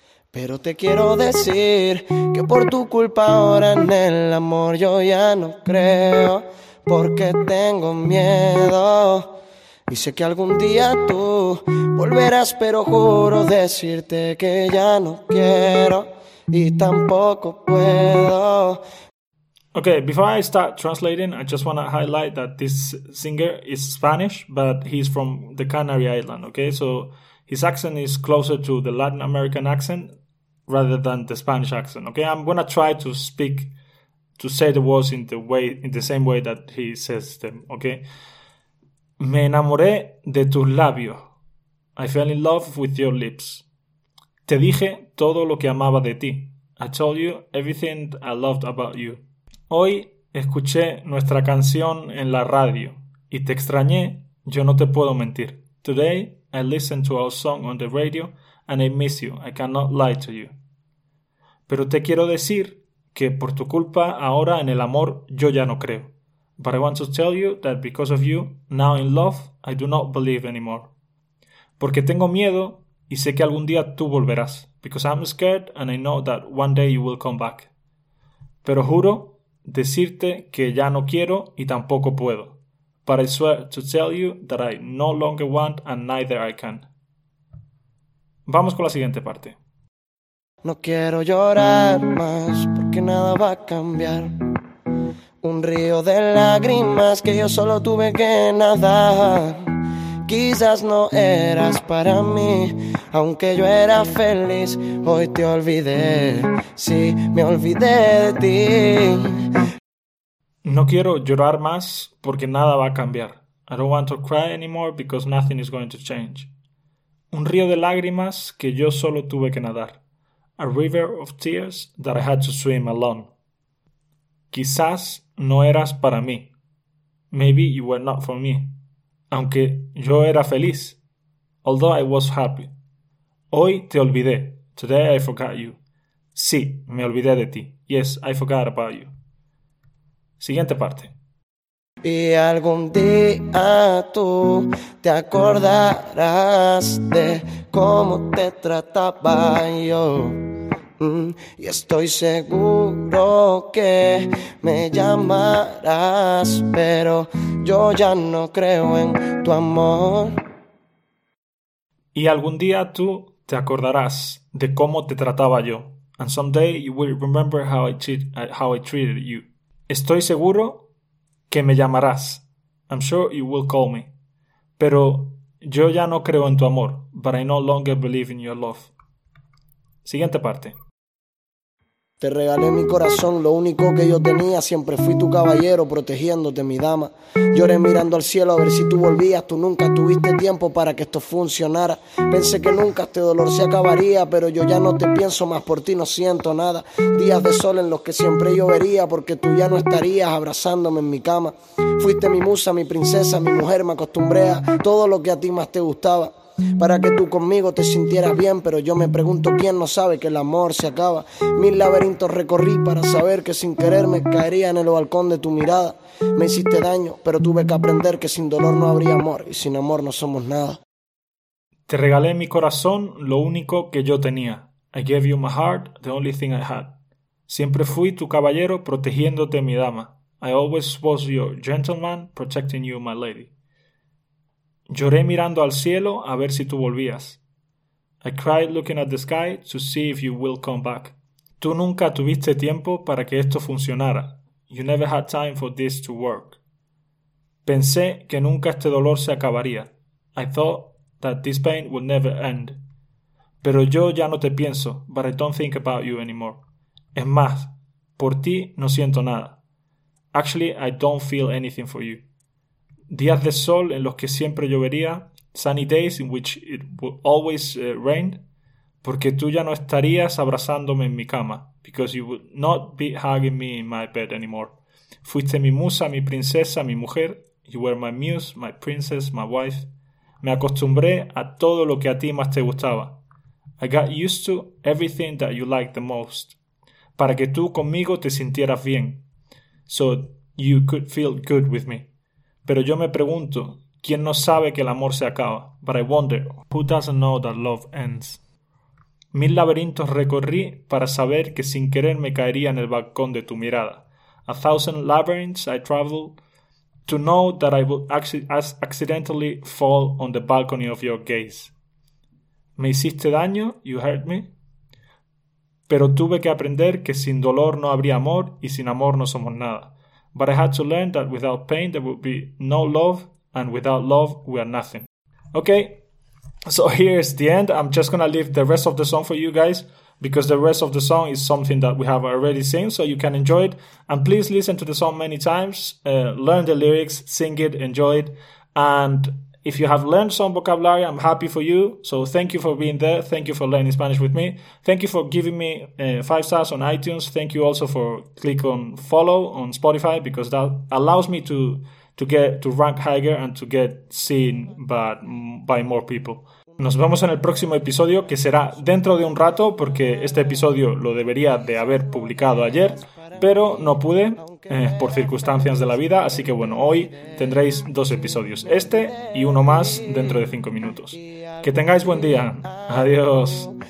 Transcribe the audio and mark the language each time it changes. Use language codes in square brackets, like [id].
[es] Pero te quiero decir que por tu culpa ahora en el amor yo ya no creo, porque tengo miedo. Y sé que algún día tú volverás, pero juro decirte que ya no quiero y tampoco puedo. [en] Okay, before I start translating, I just want to highlight that this singer is Spanish, but he's from the Canary Island, okay? So his accent is closer to the Latin American accent rather than the Spanish accent, okay? I'm going to try to speak, to say the words in the way, in the same way that he says them, okay? [es] Me enamoré de tus labios. [en] I fell in love with your lips. [es] Te dije todo lo que amaba de ti. [en] I told you everything I loved about you. [es] Hoy escuché nuestra canción en la radio y te extrañé, yo no te puedo mentir. [en] Today I listened to our song on the radio and I miss you, I cannot lie to you. [es] Pero te quiero decir que por tu culpa ahora en el amor yo ya no creo. [en] But I want to tell you that because of you, now in love, I do not believe anymore. [es] Porque tengo miedo y sé que algún día tú volverás. [en] Because I'm scared and I know that one day you will come back. [es] Pero juro decirte que ya no quiero y tampoco puedo. [en] But I swear to tell you that I no longer want and neither I can. [es] Vamos con la siguiente parte. No quiero llorar más porque nada va a cambiar. Un río de lágrimas que yo solo tuve que nadar. Quizás no eras para mí, aunque yo era feliz. Hoy te olvidé, sí, me olvidé de ti. No quiero llorar más porque nada va a cambiar. [en] I don't want to cry anymore because nothing is going to change. [es] Un río de lágrimas que yo solo tuve que nadar. [en] A river of tears that I had to swim alone. [es] Quizás no eras para mí. [en] Maybe you were not for me. [es] Aunque yo era feliz. [en] Although I was happy. [es] Hoy te olvidé. [en] Today I forgot you. [es] Sí, me olvidé de ti. [en] Yes, I forgot about you. [es] Siguiente parte. Y algún día tú te acordarás de cómo te trataba yo. Y estoy seguro que me llamarás, pero yo ya no creo en tu amor. Y algún día tú te acordarás de cómo te trataba yo. [en] And someday you will remember how I treated you. [es] Estoy seguro que me llamarás. [en] I'm sure you will call me. [es] Pero yo ya no creo en tu amor. [en] But I no longer believe in your love. [es] Siguiente parte. Te regalé mi corazón, lo único que yo tenía. Siempre fui tu caballero, protegiéndote, mi dama. Lloré mirando al cielo a ver si tú volvías. Tú nunca tuviste tiempo para que esto funcionara. Pensé que nunca este dolor se acabaría, pero yo ya no te pienso más, por ti no siento nada. Días de sol en los que siempre llovería, porque tú ya no estarías abrazándome en mi cama. Fuiste mi musa, mi princesa, mi mujer. Me acostumbré a todo lo que a ti más te gustaba, para que tú conmigo te sintieras bien. Pero yo me pregunto, ¿quién no sabe que el amor se acaba? Mil laberintos recorrí para saber que sin querer me caería en el balcón de tu mirada. Me hiciste daño, pero tuve que aprender que sin dolor no habría amor, y sin amor no somos nada. Te regalé mi corazón, lo único que yo tenía. [en] I gave you my heart, the only thing I had. [es] Siempre fui tu caballero, protegiéndote, mi dama. [en] I always was your gentleman, protecting you, my lady. [es] Lloré mirando al cielo a ver si tú volvías. [en] I cried looking at the sky to see if you will come back. [es] Tú nunca tuviste tiempo para que esto funcionara. [en] You never had time for this to work. [es] Pensé que nunca este dolor se acabaría. [en] I thought that this pain would never end. [es] Pero yo ya no te pienso, [en] but I don't think about you anymore. [es] Es más, por ti no siento nada. [en] Actually, I don't feel anything for you. [es] Días de sol en los que siempre llovería, sunny days in which it would always rain, porque tú ya no estarías abrazándome en mi cama, because you would not be hugging me in my bed anymore. Fuiste mi musa, mi princesa, mi mujer. [en] You were my muse, my princess, my wife. [es] Me acostumbré a todo lo que a ti más te gustaba. [en] I got used to everything that you liked the most. [es] Para que tú conmigo te sintieras bien. [en] So you could feel good with me. [es] Pero yo me pregunto, ¿quién no sabe que el amor se acaba? [en] But I wonder, who doesn't know that love ends? [es] Mil laberintos recorrí para saber que sin querer me caería en el balcón de tu mirada. [en] A thousand labyrinths I traveled to know that I would accidentally fall on the balcony of your gaze. [es] Me hiciste daño, [en] you hurt me. [es] Pero tuve que aprender que sin dolor no habría amor y sin amor no somos nada. [en] But I had to learn that without pain there would be no love and without love we are nothing. Okay, so here's the end. I'm just gonna leave the rest of the song for you guys because the rest of the song is something that we have already seen, so you can enjoy it. And please listen to the song many times, learn the lyrics, sing it, enjoy it. And if you have learned some vocabulary, I'm happy for you. So thank you for being there. Thank you for learning Spanish with me. Thank you for giving me 5 stars on iTunes. Thank you also for click on follow on Spotify because that allows me to rank higher and to get seen by more people. [es] Nos vemos en el próximo episodio, que será dentro de un rato, porque este episodio lo debería de haber publicado ayer, pero no pude por circunstancias de la vida, así que bueno, hoy tendréis 2 episodios, este y uno más dentro de 5 minutos. Que tengáis buen día, adiós.